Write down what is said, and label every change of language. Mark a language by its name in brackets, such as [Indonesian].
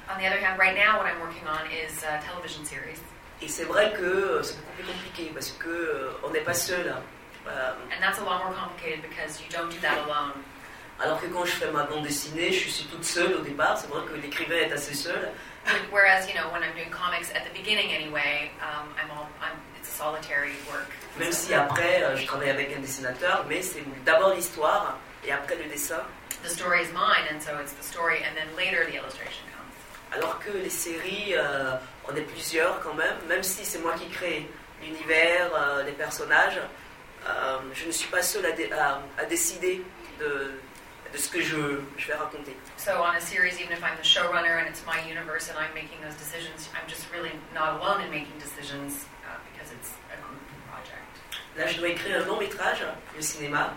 [English] On the other hand, right now, what I'm working on is a television series. [French] Et c'est vrai que c'est beaucoup plus compliqué parce que on n'est pas seul. [English] And that's a lot more complicated because you don't do that alone. [French] Alors que quand je fais ma bande dessinée, je suis toute seule au départ. C'est vrai que l'écrivain est assez seul. [English] Whereas, you know, when I'm doing comics at the beginning, anyway, it's a solitary work. [French] Même si après, je travaille avec un dessinateur, mais c'est d'abord l'histoire et après le dessin. [English] The story is mine, and so it's the story, and then later the illustration comes. [French] Alors que les séries, on est plusieurs quand même. Même si c'est moi qui crée l'univers, les personnages, je ne suis pas seule à décider de ce que je vais raconter. [English] So on a series, even if I'm the showrunner and it's my universe and I'm making those decisions, I'm just really not alone in making decisions because it's a group project. [French] Là, je dois écrire un long métrage, le cinéma.